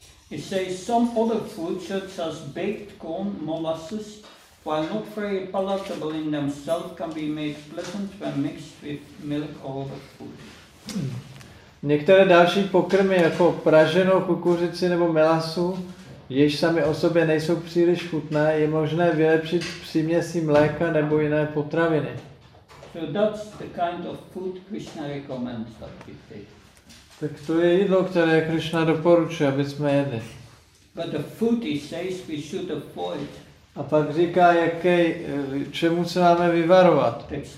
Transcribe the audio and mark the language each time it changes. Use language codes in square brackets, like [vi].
[en] He says some other foods such as baked corn, molasses, while not very palatable in themselves, can be made pleasant when mixed with milk or other food. [cs] Některé další pokrmy jako praženou kukuřici nebo melasu, jež sami o sobě nejsou příliš chutné, je možné vylepšit příměsí mléka nebo jiné potraviny. [en] So that's the kind of food Krishna recommends that we take. [cs] Tak to je jídlo, které Krishna doporučuje, aby jsme jedli. [en] But the food he says we should avoid. [cs] A pak říká, jaké, čemu se máme vyvarovat.